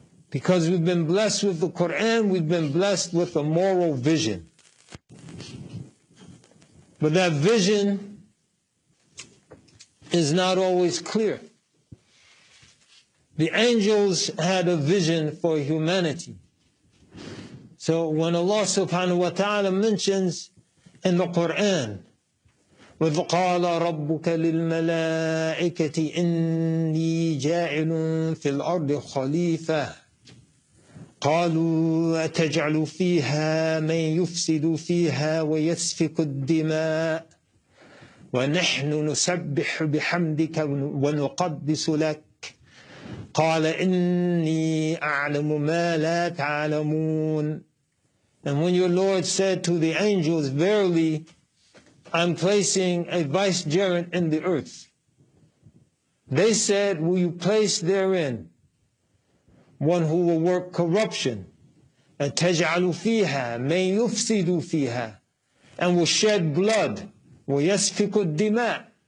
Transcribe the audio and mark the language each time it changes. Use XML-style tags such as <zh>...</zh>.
<en>Because we've been blessed with the Quran, we've been blessed with a moral vision. But that vision is not always clear. The angels had a vision for humanity. So when Allah subhanahu wa ta'ala mentions in the Quran,</en> <ar>وَقَالَ رَبُّكَ لِلْمَلَائِكَةِ إِنِّي جَاعِلٌ فِي الْأَرْضِ خَلِيفَةٌ قَالُوا أَتَجْعَلُ فِيهَا مَنْ يُفْسِدُ فِيهَا وَيَسْفِكُ الدِّمَاءِ وَنَحْنُ نُسَبِّحُ بِحَمْدِكَ وَنُقَدِّسُ لَكَ قَالَ إِنِّي أَعْلَمُ مَا لَا تَعْلَمُونَ.</ar> <en>And when your Lord said to the angels, verily, I'm placing a vicegerent in the earth, they said, will you place therein one who will work corruption,</en> <ar>أَتَجْعَلُ فِيهَا مَنْ يُفْسِدُ فِيهَا,</ar> <en>and will shed blood,</en> <ar>وَيَسْفِكُ الدِّمَاءِ,</ar>